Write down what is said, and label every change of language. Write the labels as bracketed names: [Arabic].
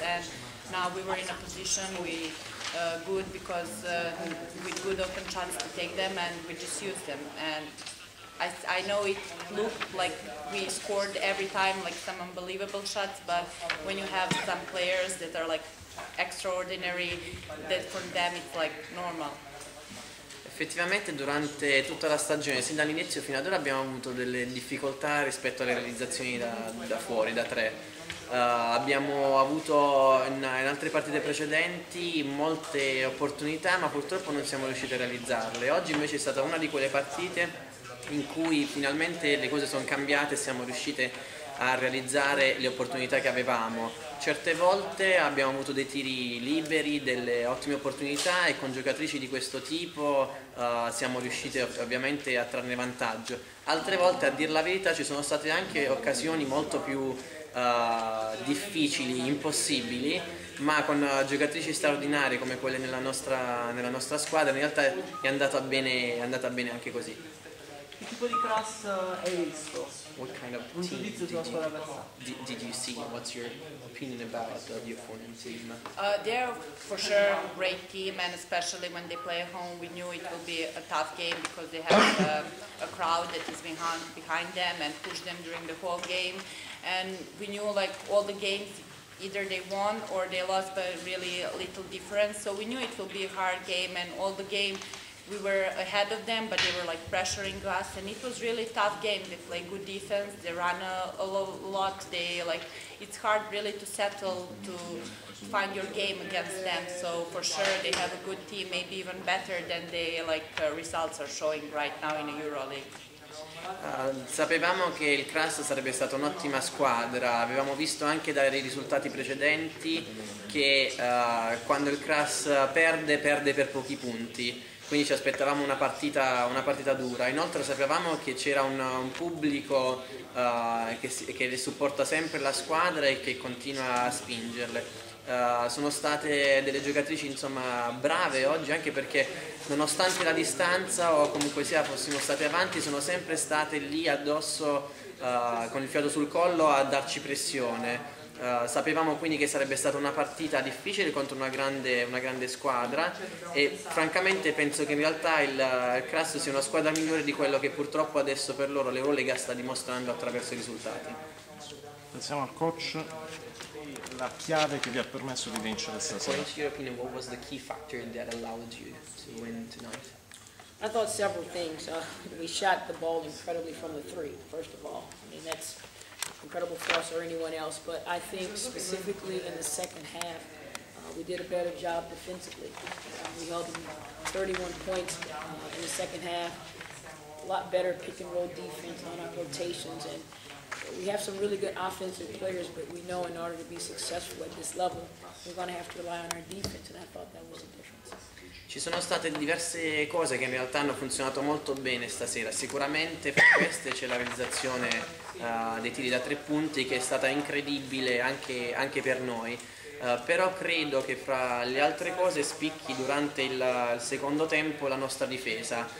[English] And now we were in a position with good open shots to take them, and we just used them. And I know it looked like we scored every time, like some unbelievable shots, but when you have some players that are like extraordinary, that for them it's like normal. [Italian] Effettivamente durante tutta la stagione, sin dall'inizio fino ad ora, abbiamo avuto delle difficoltà rispetto alle realizzazioni da fuori, da tre. Abbiamo avuto in altre partite precedenti molte opportunità, ma purtroppo non siamo riusciti a realizzarle. Oggi invece è stata una di quelle partite in cui finalmente le cose sono cambiate e siamo riuscite a realizzare le opportunità che avevamo. Certe volte abbiamo avuto dei tiri liberi, delle ottime opportunità, e con giocatrici di questo tipo siamo riuscite ovviamente a trarne vantaggio. Altre volte, a dir la verità, ci sono state anche occasioni molto più difficili, impossibili, ma con giocatrici straordinarie come quelle nella nostra squadra, in realtà è andata bene anche così. Che tipo di cross è questo? [English] What kind of team did you see? What's your opinion about the opponent team? They're for sure a great team, and especially when they play at home, we knew it will be a tough game because they have a crowd that is behind them and push them during the whole game. And we knew like all the games, either they won or they lost by really little difference. So we knew it will be a hard game, and all the game we were ahead of them, but they were like pressuring us, and it was really a tough game. They play good defense, they run a lot, they like, it's hard really to settle, to find your game against them. So for sure they have a good team, maybe even better than the like results are showing right now in the EuroLeague. [Italian] Sapevamo che il Kras sarebbe stata un'ottima squadra, avevamo visto anche dai risultati precedenti che quando il Kras perde per pochi punti. Quindi ci aspettavamo una partita dura. Inoltre sapevamo che c'era un pubblico che supporta sempre la squadra e che continua a spingerle. Sono state delle giocatrici insomma brave oggi, anche perché nonostante la distanza o comunque sia fossimo state avanti, sono sempre state lì addosso con il fiato sul collo a darci pressione. Sapevamo quindi che sarebbe stata una partita difficile contro una grande squadra, e francamente penso che in realtà il Kras sia una squadra migliore di quello che purtroppo adesso per loro l'Eurolega sta dimostrando attraverso i risultati. Pensiamo al coach, la chiave che vi ha permesso di vincere stasera. [English] What was your opinion? What was the key factor that allowed you to win tonight? I thought several things. We shot the ball incredibly from the three, first of all. I mean, that's incredible for us or anyone else, but I think specifically in the second half, we did a better job defensively. We held them 31 points in the second half, a lot better pick and roll defense on our rotations, and we have some really good offensive players, but we know in order to be successful at this level, we're going to have to rely on our defense, and I thought that was a difference. [Italian] Ci sono state diverse cose che in realtà hanno funzionato molto bene stasera. Sicuramente per queste c'è la realizzazione dei tiri da tre punti, che è stata incredibile anche per noi. Però credo che fra le altre cose spicchi durante il secondo tempo la nostra difesa.